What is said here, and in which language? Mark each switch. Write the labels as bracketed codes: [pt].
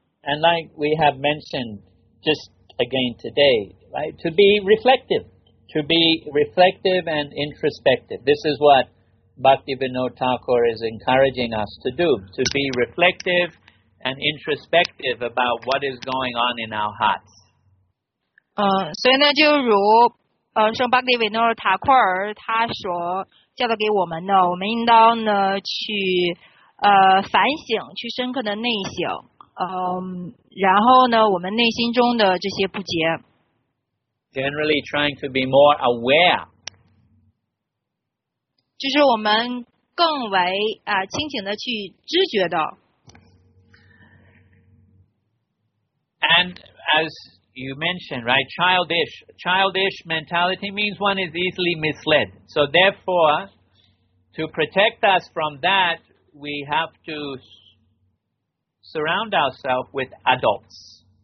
[en] And like we have mentioned just again today, right? To be reflective and introspective. This is what Bhaktivinoda Thakur is encouraging us to do. To be reflective. And introspective about what is going on in our hearts. [zh] 所以呢，就如圣巴克迪维诺塔库尔他所教导给我们的，我们应当呢去反省，去深刻的内省，然后呢，我们内心中的这些不洁。 [en] Generally, trying to be more aware. [zh] 就是我们更为清醒的去知觉的。 [en] And as you mentioned, right, childish mentality means one is easily misled. So therefore, to protect us from that, we have to surround ourselves with adults.